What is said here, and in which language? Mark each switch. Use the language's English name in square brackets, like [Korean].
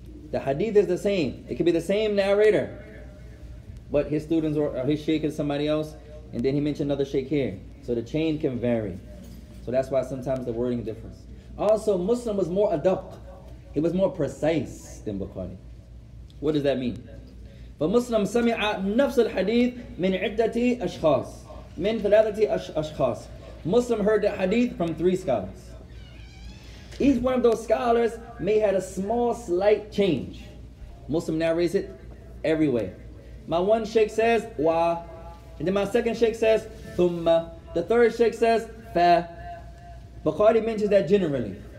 [English] The hadith is the same. It could be the same narrator, but his students or his sheikh is somebody else, and then he mentioned another sheikh here. So the chain can vary. So that's why sometimes the wording differs. Also, Muslim was more adapt. He was more precise than Bukhari. What does that mean? [Arabic] فمسلم سمع نفس الحديث من عدة أشخاص من ثلاثة أشخاص. [English] Muslim heard the hadith from three scholars. Each one of those scholars may have a small, slight change. Muslim narrates it every way. My one sheikh says wa, and then my second sheikh says thumma. The third sheikh says fa. Bukhari mentions that generally.